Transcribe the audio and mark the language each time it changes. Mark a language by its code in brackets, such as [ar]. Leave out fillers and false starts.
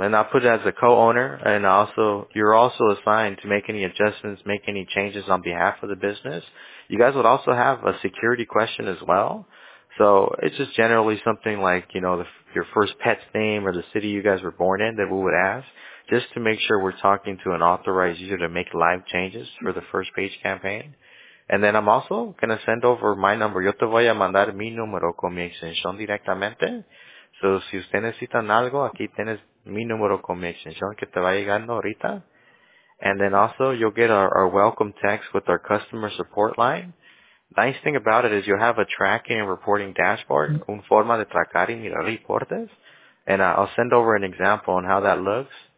[en] And I'll put it as a co-owner and also you're also assigned to make any adjustments, make any changes on behalf of the business. You guys would also have a security question as well. So it's just generally something like, you know, your first pet's name or the city you guys were born in that we would ask, just to make sure we're talking to an authorized user to make live changes for the first page campaign. And then I'm also going to send over my number. [es] Yo te voy a mandar mi número con mi extensión directamente. So si usted necesita algo, aquí tienes mi número con mi extensión que te va llegando ahorita. [en] And then also you'll get our welcome text with our customer support line. Nice thing about it is you have a tracking and reporting dashboard, [es] un forma de tracar y mirar reportes, [en] and I'll send over an example on how that looks.